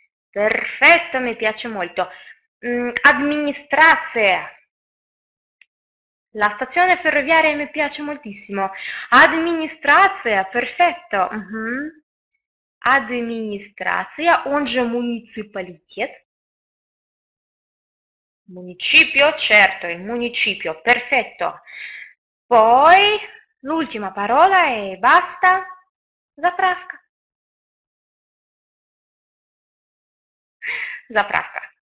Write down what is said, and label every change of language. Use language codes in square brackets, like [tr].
[it] Перфетто, mi piace molto. [ru] Администрация. [it] La stazione ferroviaria mi piace moltissimo. [ru] Администрация, [it] perfetto. [ru] Администрация, он же муниципалитет. [it] Муничипио, certo, il муничипио, perfetto. Poi, l'ultima parola e basta. [ru] Заправка. Заправка.